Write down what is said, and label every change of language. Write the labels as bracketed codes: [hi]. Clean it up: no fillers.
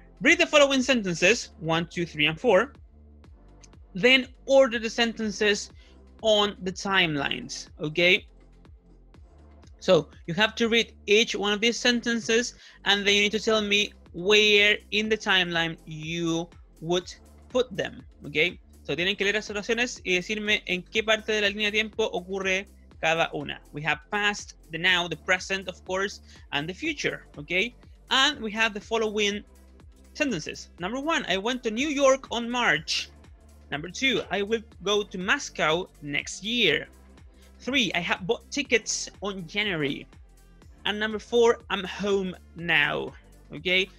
[en] Read the following sentences, 1, 2, 3, and 4. Then order the sentences on the timelines, okay? So you have to read each one of these sentences, and then you need to tell me where in the timeline you would put them, okay? [es] So tienen que leer las oraciones y decirme en qué parte de la línea de tiempo ocurre cada una. [en] We have past, the now, the present, of course, and the future, okay? And we have the following sentences. Number one, I went to New York on March. Number two, I will go to Moscow next year. Three, I have bought tickets on January. And number four, I'm home now, okay?